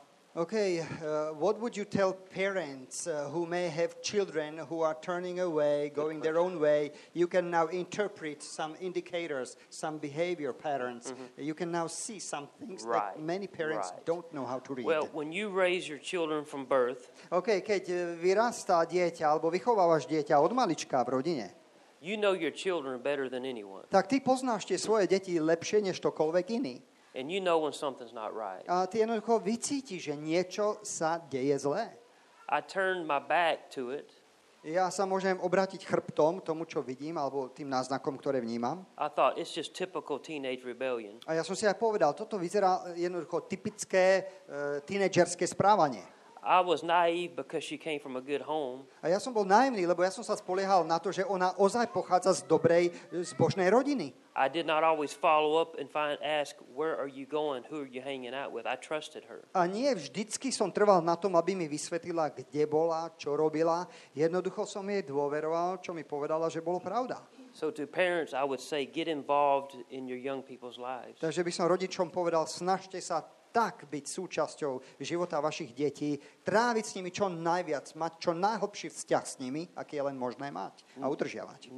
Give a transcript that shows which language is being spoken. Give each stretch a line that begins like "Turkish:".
English: Okay, what would you tell parents who may have children who are turning away, going their own way? You can now interpret some indicators, some behavior patterns. Mm-hmm. You can now see some things right. that many parents right. don't know how to read. Well, when you raise your children from birth,
Slovak: okay, keď vyrastá dieťa alebo vychovávaš dieťa od malička v rodine,
English: you know your children better than anyone.
Slovak: Tak ty poznáš tie svoje deti lepšie než ktokoľvek iný.
English: And you know when something's not right.
Slovak: A ty jednoducho vycítiš, že niečo sa deje zlé.
English: I turned my back to it.
Slovak: Ja sa môžem obrátiť chrbtom tomu, čo vidím, alebo tým náznakom, ktoré vnímam.
English: I thought, it's just typical teenage rebellion.
Slovak: A ja som si aj povedal, toto vyzerá jednoducho typické tínedžerské správanie.
English: I was naive because she came from a good home.
Slovak: A ja som bol naivný, lebo ja som sa spoliehal na to, že ona ozaj pochádza z dobrej, zbožnej rodiny.
English: I did not always follow up and ask where are you going, who are you hanging out with. I trusted her.
Slovak: A nie vždycky som trval na tom, aby mi vysvetlila, kde bola, čo robila. Jednoducho som jej dôveroval, čo mi povedala, že bolo pravda.
English: So to parents, I would say, get involved in your young people's lives.
Slovak: Takže by som rodičom povedal, snažte sa tak byť súčasťou života vašich detí, tráviť s nimi čo najviac, mať čo najhlbší vzťah s nimi, aký je len možné mať a udržiavať.